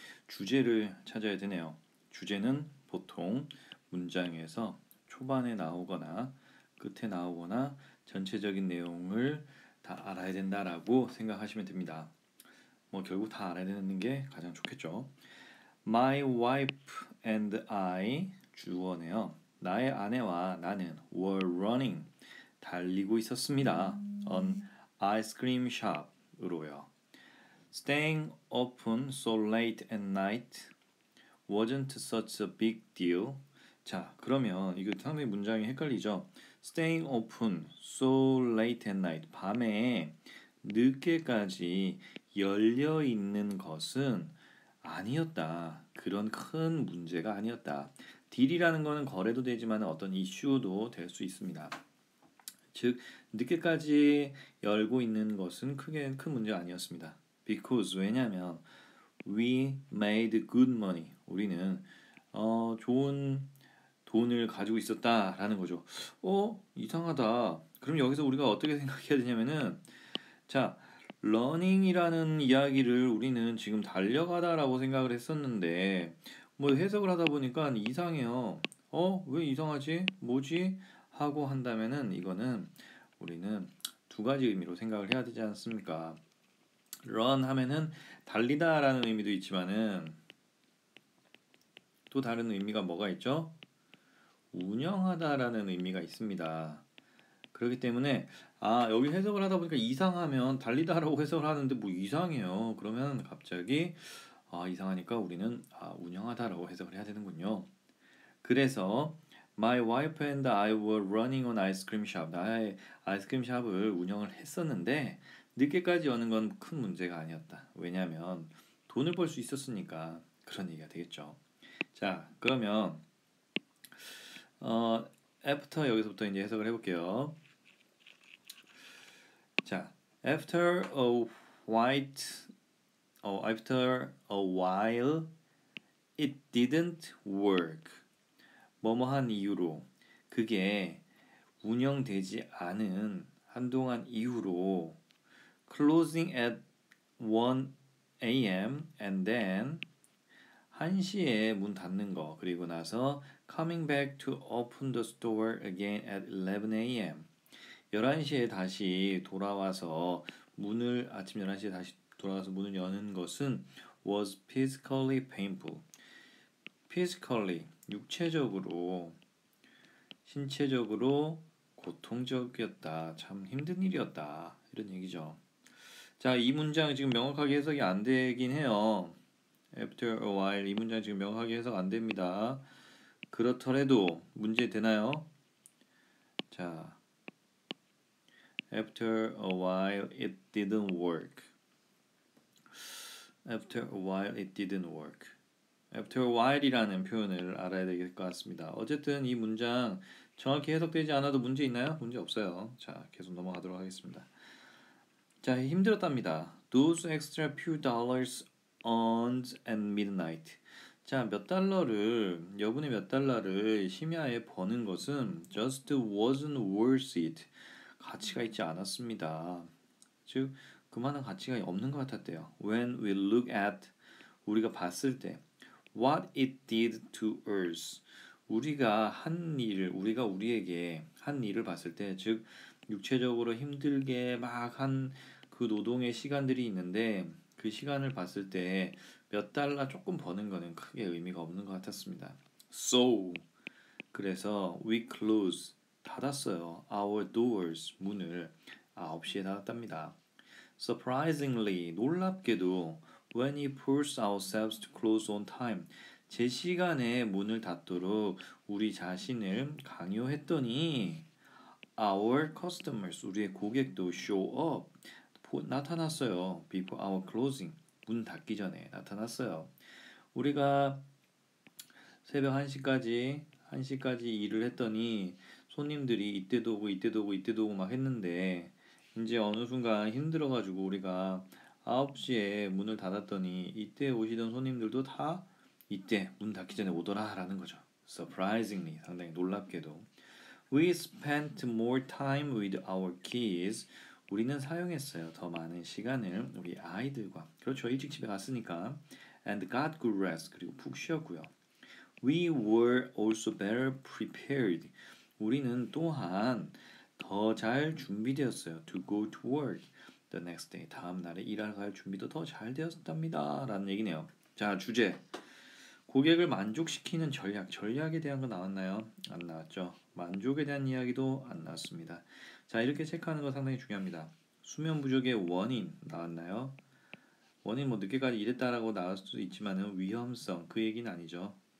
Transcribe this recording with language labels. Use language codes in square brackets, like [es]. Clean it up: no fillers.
[ko] 주제를 찾아야 되네요. 주제는 보통 문장에서 초반에 나오거나 끝에 나오거나 전체적인 내용을 다 알아야 된다라고 생각하시면 됩니다. 뭐 결국 다 알아야 되는 게 가장 좋겠죠. [en] My wife and I [ko] 주어네요. 나의 아내와 나는 [en] were running, [ko] 달리고 있었습니다. [en] An ice cream shop으로요. Staying open so late at night wasn't such a big deal. [ko] 자, 그러면 이게 상당히 문장이 헷갈리죠. [en] Staying open so late at night, [ko] 밤에 늦게까지 열려있는 것은 아니었다. 그런 큰 문제가 아니었다. 딜이라는 거는 거래도 되지만 어떤 이슈도 될 수 있습니다. 즉, 늦게까지 열고 있는 것은 크게 큰 문제 아니었습니다. [en] Because, [ko] 왜냐하면 [en] we made good money. [ko] 우리는 좋은 돈을 가지고 있었다라는 거죠. 이상하다. 그럼 여기서 우리가 어떻게 생각해야 되냐면은, 자, running이라는 이야기를 우리는 지금 달려가다 라고 생각을 했었는데, 뭐 해석을 하다 보니까 이상해요. 왜 이상하지? 뭐지? 하고 한다면은 이거는 우리는 두 가지 의미로 생각을 해야 되지 않습니까? run 하면은 달리다 라는 의미도 있지만은 또 다른 의미가 뭐가 있죠? 운영하다 라는 의미가 있습니다. 그렇기 때문에 여기 해석을 하다 보니까 이상하면 달리다 라고 해석을 하는데 뭐 이상해요. 그러면 갑자기 이상하니까 우리는 운영하다라고 해석을 해야 되는군요. 그래서 [en] My wife and I were running an ice cream shop. [ko] 나의 아이스크림 샵을 운영을 했었는데 늦게까지 여는 건 큰 문제가 아니었다. 왜냐하면 돈을 벌 수 있었으니까 그런 얘기가 되겠죠. 자, 그러면 after 여기서부터 이제 해석을 해볼게요. [en] 자, after a white after a while, it didn't work. [ko] 뭐뭐한 이유로, 그게 운영되지 않은 한동안 이후로, [en] closing at 1 a.m. and then [ko] 1시에 문 닫는 거, 그리고 나서 [en] coming back to open the store again at 11 a.m. [ko] 11시에 다시 돌아와서 문을 아침 11시에 다시 돌아가서 문을 여는 것은 [en] was physically painful. physically, [ko] 육체적으로, 신체적으로 고통적이었다. 참 힘든 일이었다. 이런 얘기죠. 자, 이 문장 지금 명확하게 해석이 안 되긴 해요. [en] After a while, [ko] 이 문장 지금 명확하게 해석 안 됩니다. 그렇더라도 문제 되나요? [en] 자, After a while, it didn't work. After a while, it didn't work. [ko] After a while이라는 표현을 알아야 될 것 같습니다. 어쨌든 이 문장 정확히 해석되지 않아도 문제 있나요? 문제 없어요. 자, 계속 넘어가도록 하겠습니다. 자, 힘들었답니다. [en] Those extra few dollars earned at midnight. [ko] 자, 몇 달러를, 여분의 몇 달러를 심야에 버는 것은 [en] just wasn't worth it. [ko] 가치가 있지 않았습니다. 즉, 그만한 가치가 없는 것 같았대요. [en] When we look at, [ko] 우리가 봤을 때, [en] what it did to us, [ko] 우리가 한 일을, 우리가 우리에게 한 일을 봤을 때, 즉, 육체적으로 힘들게 막 한 그 노동의 시간들이 있는데, 그 시간을 봤을 때 몇 달러 조금 버는 거는 크게 의미가 없는 것 같았습니다. [en] So, [ko] 그래서 [en] we close, [ko] 닫았어요. [en] Our doors, [ko] 문을 9시에 닫았답니다. [en] Surprisingly, [ko] 놀랍게도 [en] when he pulls ourselves to close on time, [ko] 제 시간에 문을 닫도록 우리 자신을 강요했더니 [en] our customers, [ko] 우리의 고객도 [en] show up, [ko] 나타났어요. [en] Before our closing, [ko] 문 닫기 전에 나타났어요. 우리가 새벽 1시까지 일을 했더니 손님들이 이때도 오고 이때도 오고 이때도 오고 막 했는데 이제 어느 순간 힘들어가지고 우리가 9시에 문을 닫았더니 이때 오시던 손님들도 다 이때 문 닫기 전에 오더라 라는 거죠. [en] Surprisingly, [ko] 상당히 놀랍게도. [en] We spent more time with our kids. [ko] 우리는 사용했어요. 더 많은 시간을 우리 아이들과. 그렇죠. 일찍 집에 갔으니까. [en] And got good rest. [ko] 그리고 푹 쉬었고요. [en] We were also better prepared. [ko] 우리는 또한 더 잘 준비되었어요. [en] To go to work the next day. [ko] 다음 날에 일하러 갈 준비도 더 잘 되었답니다. 라는 얘기네요. 자, 주제. 고객을 만족시키는 전략. 전략에 대한 거 나왔나요? 안 나왔죠. 만족에 대한 이야기도 안 나왔습니다. 자, 이렇게 체크하는 거 상당히 중요합니다. 수면 부족의 원인 나왔나요? 원인 뭐 늦게까지 일했다라고 나올 수도 있지만은 위험성 그 얘기는 아니죠.